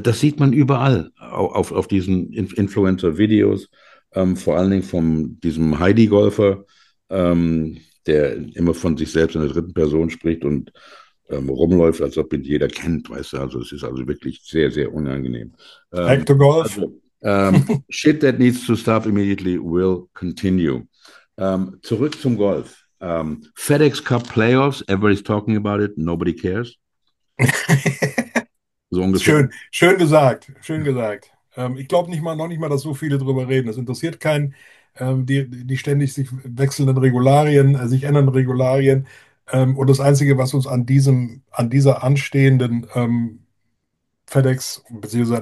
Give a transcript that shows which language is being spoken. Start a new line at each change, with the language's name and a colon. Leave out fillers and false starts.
German: das sieht man überall auf diesen Influencer-Videos. Vor allen Dingen von diesem Heidi-Golfer, der immer von sich selbst in der dritten Person spricht und rumläuft, als ob ihn jeder kennt, weißt du. Also es ist also wirklich sehr, sehr unangenehm.
English: Back to golf. Also Shit that needs to stop immediately will continue. Zurück zum Golf. FedEx Cup Playoffs, everybody's talking about it, nobody cares.
German: So ungefähr. Schön, schön gesagt, schön gesagt. Ich glaube nicht mal, noch nicht mal, dass so viele darüber reden. Das interessiert keinen, die ständig sich wechselnden Regularien, sich ändernden Regularien. Und das Einzige, was uns an diesem, an dieser anstehenden FedEx bzw.